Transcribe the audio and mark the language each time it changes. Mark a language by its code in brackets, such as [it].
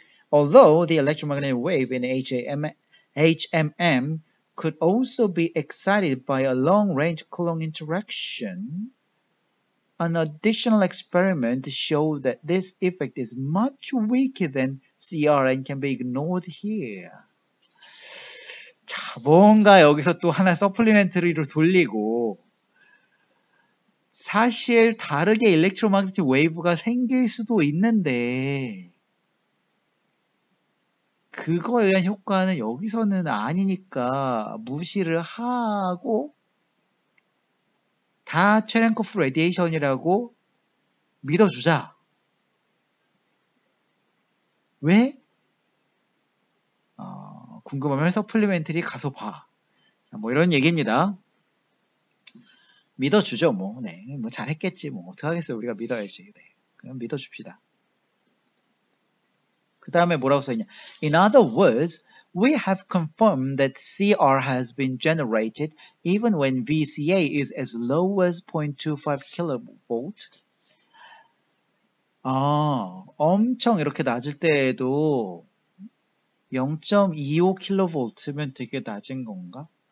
[en] Although the electromagnetic wave in HMM could also be excited by a long-range Coulomb interaction, an additional experiment showed that this effect is much weaker than CR and can be ignored here. [ko] 자, 뭔가 여기서 또 하나 서플리멘터리를 돌리고 사실 다르게 일렉트로마그네틱 웨이브가 생길 수도 있는데 그거에 의한 효과는 여기서는 아니니까 무시를 하고 다 체렌코프 레디에이션이라고 믿어주자. 왜? 궁금하면 서플리멘터리 가서 봐. 자, 뭐 이런 얘기입니다. 믿어주죠, 뭐. 네, 뭐 잘했겠지, 뭐. 어떡하겠어요, 우리가 믿어야지. 네, 그럼 믿어줍시다. 그 다음에 뭐라고 써있냐. [en] In other words, we have confirmed that CR has been generated even when VCA is as low as 0.25 kV. [ko] 아, 엄청 이렇게 낮을 때에도 0.25kV면 되게 낮은 건가?